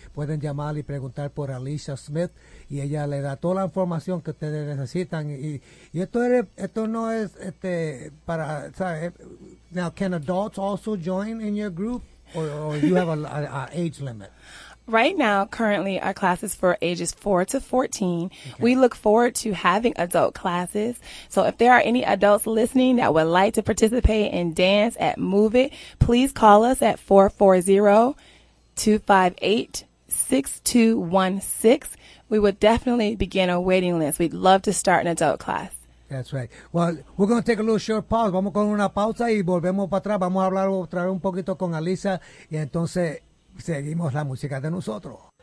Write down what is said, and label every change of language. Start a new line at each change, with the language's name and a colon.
Spanish: Pueden llamar y preguntar por Alicia Smith y ella le da toda la información que ustedes necesitan. Y esto no es para, ¿sabe?
English: Now, can adults also join in your group or you have a age limit? Right now, currently, our class is for ages 4 to 14. Okay. We look forward to having adult classes. So if there are any adults listening that would like to participate in dance at Move It, please call us at 440-258-6216. We would definitely begin a waiting list. We'd love to start an adult class. That's right. Well, we're going to take a little short pause.
Spanish: Vamos con una pausa y volvemos para atrás. Vamos a hablar otra vez un poquito con Alisa y entonces seguimos la música de nosotros.